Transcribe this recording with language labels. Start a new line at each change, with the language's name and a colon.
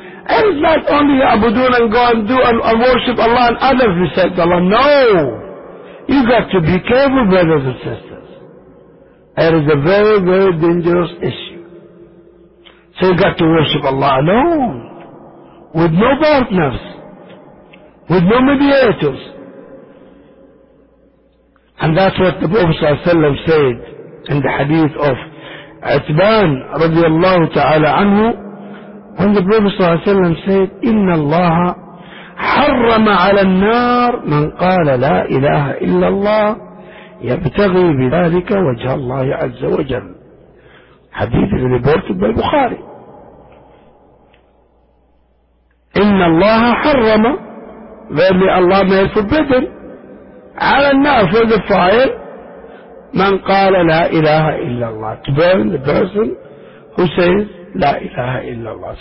English: And it's not only
Arabic: يعبدون
English: and go and do and worship Allah and others besides Allah. No! You got to be careful, brothers and sisters. It is a very, very dangerous issue. So you got to worship Allah alone, with no partners, with no mediators. And that's what the Prophet ﷺ said in the hadith of Utban radiallahu ta'ala anhu, when the Prophet ﷺ said,
Arabic: إِنَّ اللَّهَ حَرَّمَ عَلَى النَّارِ مَنْ قَالَ لَا إِلَهَ إِلَّا اللَّهِ يَبْتَغِي بِذَلِكَ وَجْهَ اللَّهِ عَزَّ وَجَلْ.
English: Hadith is reported by Bukhari.
Arabic: إِنَّ اللَّهَ حَرَّمَ,
English: verily Allah may have forbidden, ala nar, for the fire, man qala la ilaha illallah, to burn the person who says la ilaha illallah.